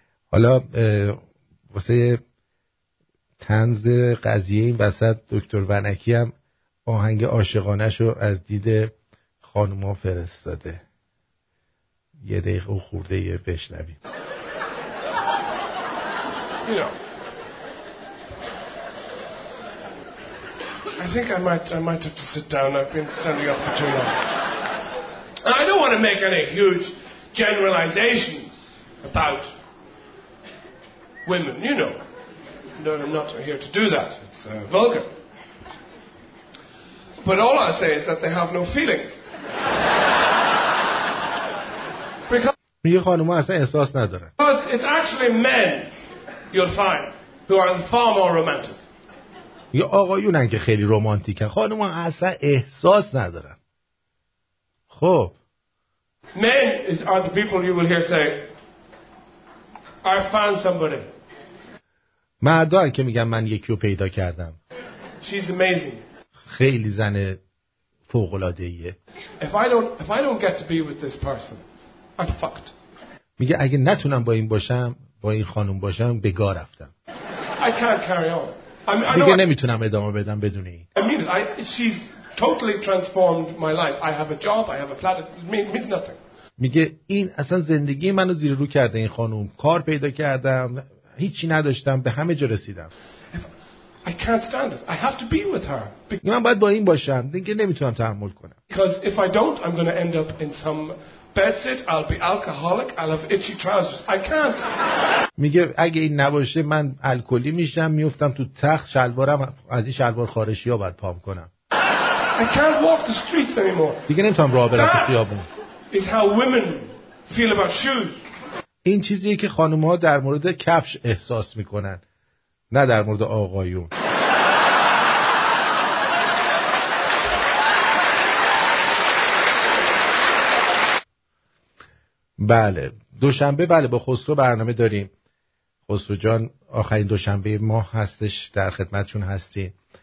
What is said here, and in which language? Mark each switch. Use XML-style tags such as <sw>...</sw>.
<fa>حالا واسه طنز قضیه این وسط دکتر ونکی هم آهنگ عاشقانه‌شو از دید خانوما فرستاده. یه دقیقه خورده یه بشنوید.</fa> <en>I think I might have to sit down. I've been standing up for too long. I don't want to make any huge generalizations about women, you know. No, I'm not here to do that. It's vulgar. But all I say is that they have no feelings. Because it's actually men you'll find who are far more romantic.</en> <fa>یا آقایونن که خیلی رومانتیکن، خانوما اصلا احساس ندارن. خب</fa> <en>men are the people you will hear say I found somebody.</en> <fa>مردا هن که میگن من یکی رو پیدا کردم.</fa> <en>She's amazing.</en> <fa>خیلی زن فوق‌العاده‌ایه.</fa> <en>If I don't get to be with this person I'm fucked.</en> <fa>میگه اگه نتونم با این باشم، با این خانم باشم، به گا رفتم.</fa> <en>I can't carry on.</en> <fa>دیگه نمیتونم ادامه بدم بدون این.</fa> <en>I mean, she's totally transformed my life. I have a job, I have a flat. It means nothing.</en> <fa>میگه این اصلا زندگی منو زیر رو کرده این خانم. کار پیدا کردم، هیچی نداشتم، به همه جا رسیدم.</fa> <en>I can't stand it. I have to be with her.</en> <fa>من باید با این باشم. دیگه نمیتونم تحمل کنم.</fa> <en>Because if I don't, I'm going to end up in some bedsit, I'll be alcoholic, I'll have itchy trousers. I can't.</en> <fa>میگه اگه این نباشه من الکلی میشم، میفتم تو تخت، شلوارم از این شلوار خارشی ها باید پام کنم.</fa> <en>I can't walk the streets anymore.</en> <fa>دیگه نمیتونم راه برم تو خیابون.</fa> <en>That is how women feel about shoes.</en> <fa>این چیزیه که خانوم ها در مورد کفش احساس میکنن، نه در مورد آقایون. بله دوشنبه، بله با خسرو برنامه داریم. خسرو جان آخرین دوشنبه ما هستش، در خدمتشون هستیم.</fa>